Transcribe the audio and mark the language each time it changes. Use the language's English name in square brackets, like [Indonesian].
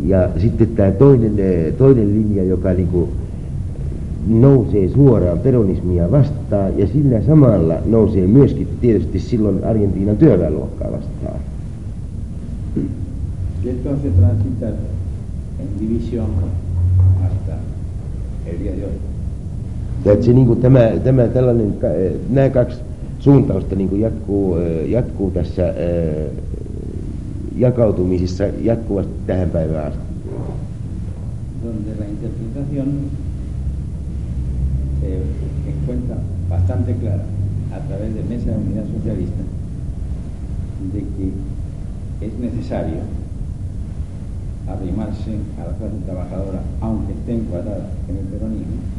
[Finnish] Ja sitten tämä toinen linja, joka niin kuin nousee suoraan peronismia vastaan, ja sillä samalla nousee myöskin tietysti silloin Argentiinan työväenluokkaa vastaan. [Spanish] Esto se transita en división hasta el día de hoy. [Finnish] Se, niin kuin tällainen, nämä kaksi suuntausta niin kuin jatkuu tässä jakautumisessa jatkuvasti tähän päivään asti. [Spanish] Donde la interpretación se encuentra bastante clara a través de Mesa de Unidad Socialista de que es necesario arrimarse a la clase trabajadora aunque esté encuadrada en el peronismo